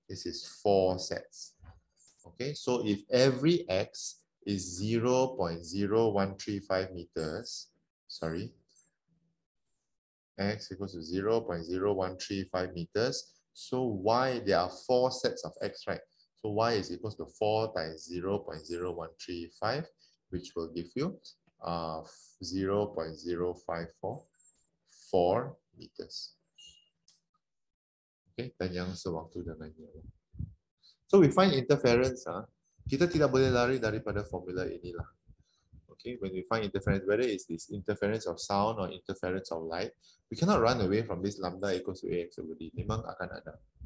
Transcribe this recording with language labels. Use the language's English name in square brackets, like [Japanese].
[English] This is four sets. Okay, so if every x is 0.0135 meters, sorry, x equals to 0.0135 meters, so y, there are four sets of x, right? So y is equals to 4 times 0.0135, which will give you 0.0544 meters. [Malay] Okay, dan yang sewaktu dengan ni. [English] So we find interference. [Malay] Kita tidak boleh lari daripada formula inilah. [English] Okay, when we find interference, whether it's this interference of sound or interference of light, we cannot run away from this lambda equals to ax over d. [Malay] Memang akan ada.